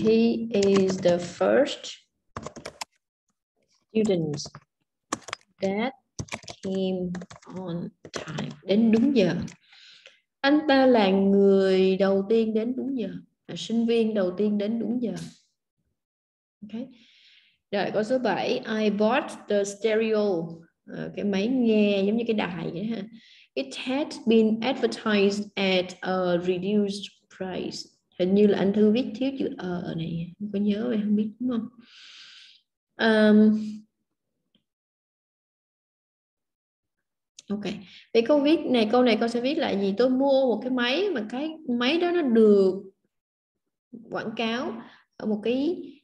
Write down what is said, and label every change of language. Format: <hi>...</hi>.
<en>He is the first student that came on time.</en> <vi>Đến đúng giờ. Anh ta là người đầu tiên đến đúng giờ. Là sinh viên đầu tiên đến đúng giờ. Okay. Rồi, câu số 7.</vi> <en>I bought the stereo.</en> <vi>Cái máy nghe giống như cái đài vậy ha.</vi> <en>It had been advertised at a reduced price.</en> <vi>Hình như là anh Thư viết thiếu chữ ở này. Có nhớ vậy không biết đúng không? Ok. Vậy câu viết này, câu này con sẽ viết lại gì? Tôi mua một cái máy mà cái máy đó nó được quảng cáo ở một cái</vi>